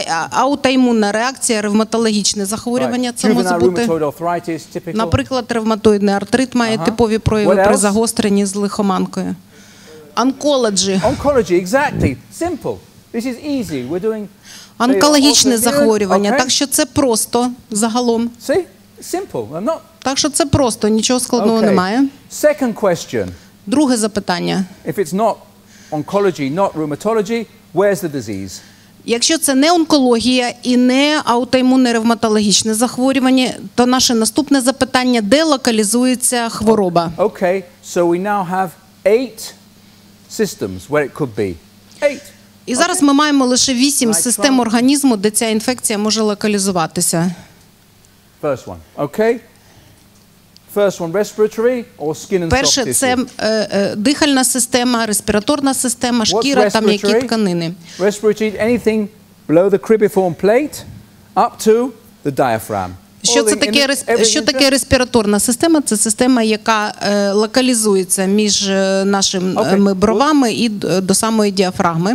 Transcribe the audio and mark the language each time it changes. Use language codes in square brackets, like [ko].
[uk] Аутоімунна реакція, ревматологічне захворювання, це може бути, наприклад, ревматоїдний артрит має типові прояви при загостренні з лихоманкою. Онкологія. [en] Онкологія, exactly. Simple. This is easy. We're doing [uk] онкологічне захворювання, так що це просто загалом. [en] See? Simple. I'm not. [uk] Так що це просто, нічого складного немає. [en] Second question. [uk] Друге запитання. [en] If it's not oncology, not rheumatology, where's the disease? [uk] Якщо це не онкологія і не аутоімунне ревматологічне захворювання, то наше наступне запитання – де локалізується хвороба? [en] Okay, so we now have eight systems where it could be. Eight. [uk] І зараз ми маємо лише вісім систем організму, де ця інфекція може локалізуватися. [en] First one, okay. First one, respiratory or skin and soft [uk] Перше це дихальна система, респіраторна система, шкіра, там які тканини. [en] Respiratory – anything below the cribriform plate up to the diaphragm. [uk] Що це таке, що таке респіраторна система? Це система, яка локалізується між нашими бровами і до самої діафрагми.